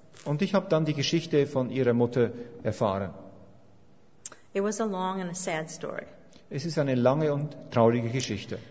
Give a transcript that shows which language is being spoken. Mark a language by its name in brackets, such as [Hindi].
[German] Und ich habe dann die Geschichte von ihrer Mutter erfahren. [English] It was a long and a sad story. [German] Es ist eine lange und traurige Geschichte.